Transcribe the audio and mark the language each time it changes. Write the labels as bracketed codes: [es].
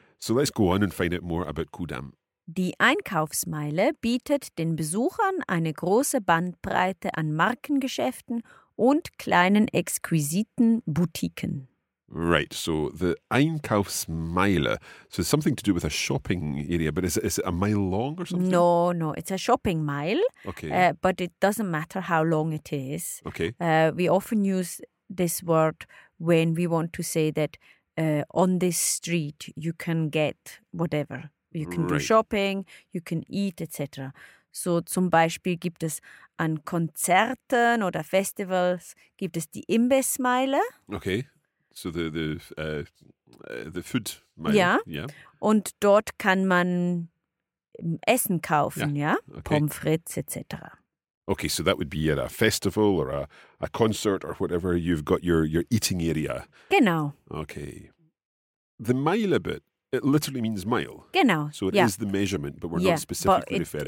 [en] So let's go on and find out more about Kudamm. [de] Die Einkaufsmeile bietet den Besuchern eine große Bandbreite an Markengeschäften und kleinen exquisiten Boutiquen. [en] Right, so the Einkaufsmeile, so it's something to do with a shopping area, but is it a mile long or something? No, it's a shopping mile, okay. But it doesn't matter how long it is. Okay. We often use this word when we want to say that on this street you can get whatever. You can do shopping, you can eat, etc. [de] So zum Beispiel gibt es an Konzerten oder Festivals, gibt es die Imbissmeile. [en] Okay, so the food meile. [de] Ja, und dort kann man Essen kaufen, Pommes frites, etc. [en] Okay, so that would be at a festival or a concert or whatever, you've got your eating area. [de] Genau. [en] Okay, the meile bit. It literally means mile. [de] Genau. [en] So it is the measurement, but we're not specifically referring.